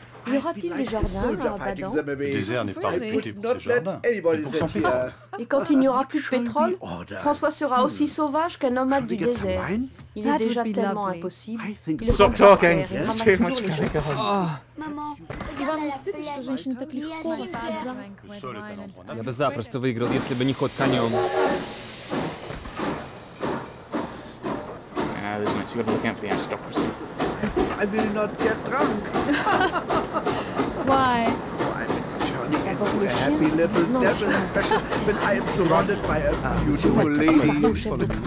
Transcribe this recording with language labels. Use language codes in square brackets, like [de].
[fr] Y aura-t-il des jardins à Abadan? Le désert n'est pas réputé pour ses jardins. Pour son pays. Et quand il n'y aura plus de pétrole, François sera aussi sauvage qu'un nomade du désert. Il est déjà tellement impossible. [en] Stop talking. Yes. Too much to take home. [ru] Maman, я вам не стыдно, что женщины так легко вас обманывают? Я бы запросто выиграл, если бы не ход конем. [en] Ah, this makes you gotta look out for the aristocracy. I will not get drunk. Why? Why? I'm turning into a happy little devil, special. But I am surrounded by a beautiful lady.